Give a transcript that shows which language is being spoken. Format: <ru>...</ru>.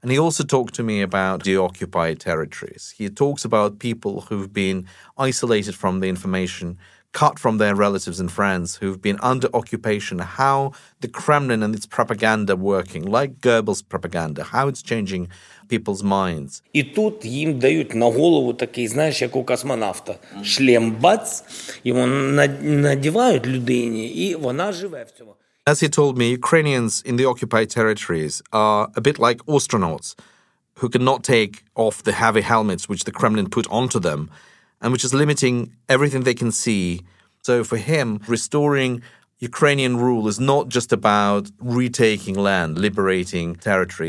<en>And he also talked to me about deoccupied territories. He talks about people who've been isolated from the information, cut from their relatives and friends, who've been under occupation, how the Kremlin and its propaganda working, like Goebbels' propaganda, how it's changing people's minds.</en> <uk>І тут їм дають на голову такий, знаєш, як у космонавта, шлем, бац, йому надівають людині, і вона живе в цьому.</uk> <en>As he told me, Ukrainians in the occupied territories are a bit like astronauts who cannot take off the heavy helmets which the Kremlin put onto them, and which is limiting everything they can see. So for him, restoring Ukrainian rule is not just about retaking land, liberating territory.</en>